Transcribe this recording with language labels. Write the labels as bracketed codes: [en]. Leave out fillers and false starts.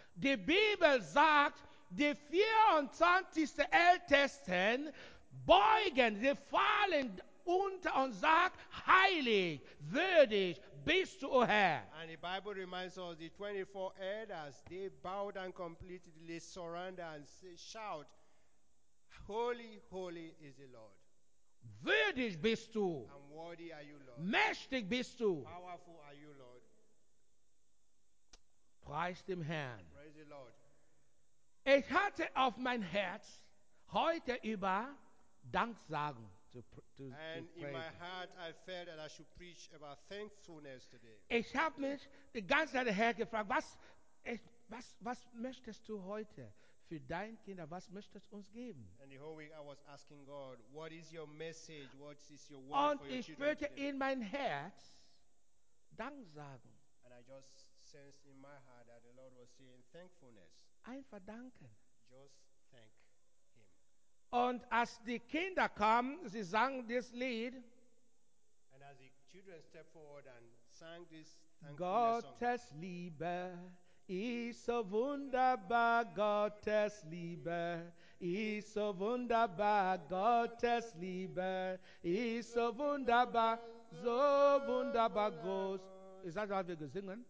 [de] Die Bibel sagt, die 24 Ältesten beugen, sie fallen unter und sagt, heilig, würdig, bist du, O Herr. [en] And the Bible reminds us, the 24 elders, they bow down completely, surrender and say, shout, holy, holy is the Lord. [de] Würdig bist du. [en] And worthy are you, Lord. [de] Mächtig bist du. [en] Powerful are you, Lord. [de] Preist dem Herrn. [en] Praise the Lord. [de] Ich hatte auf mein Herz heute über Dank sagen. [en] And in my heart, I felt that I should preach about thankfulness today. [de] Ich habe mich die ganze Zeit hergefragt, was möchtest du heute für dein Kinder, was möchtest du uns geben? [en] And the whole week I was asking God, what is your message, what is your word for your children? [de] Und ich spürte in mein Herz, Dank sagen. [en] And I just sensed in my heart that the Lord was saying thankfulness. [de] Einfach danken. [en] Just thank. [de] Und als die Kinder kamen, sie sangen dieses Lied. [en] And as the children stepped forward and sang this [de] Gottes [en] song. [de] Liebe ist so wunderbar, Gottes Liebe ist so wunderbar, Gottes Liebe ist so wunderbar, so wunderbar groß. Ist das, was wir gesungen?